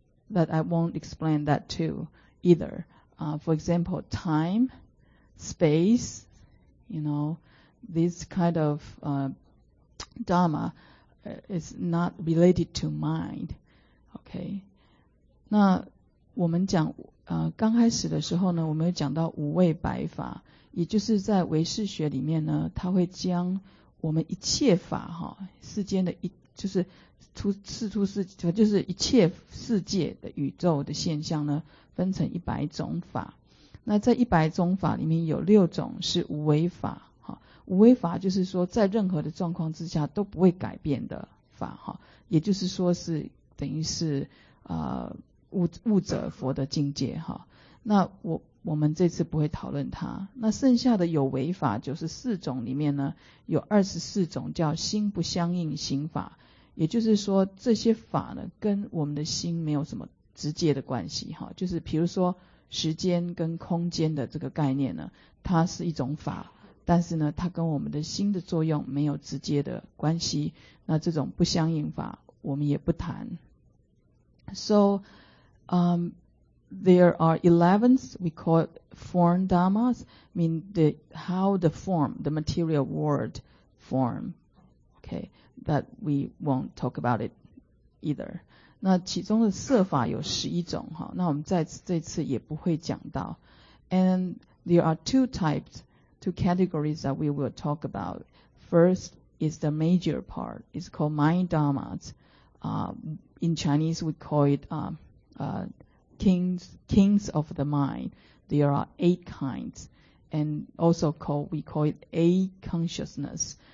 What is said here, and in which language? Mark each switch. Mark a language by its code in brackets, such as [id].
[en] That I won't explain that too either. For example, time, space, you know, this kind of dharma is not related to mind. Okay. [zh] 那我们讲刚开始的时候呢，我们有讲到五味百法，也就是在唯识学里面呢，它会将我们一切法哈，世间的一切世界的宇宙的现象呢，分成100种法。那在100种法里面有6种是无为法。无为法就是说在任何的状况之下都不会改变的法，也就是说是等于是悟者佛的境界。那我们这次不会讨论它。那剩下的有为法94种里面呢，有24种叫心不相应行法，也就是说这些法呢跟我们的心没有什么直接的关系，就是比如说时间跟空间的这个概念呢，它是一种法，但是呢它跟我们的心的作用没有直接的关系，那这种不相应法我们也不谈。 [en] So there are 11 we call form dharmas, mean the how the form the material world form, okay, that we won't talk about it either. [zh] 那其中的色法有11种，那我们在这次也不会讲到。 [en] And there are two categories that we will talk about. First is the major part. It's called mind dharmas. In Chinese, we call it kings of the mind. There are 8 kinds. And also we call it A consciousness.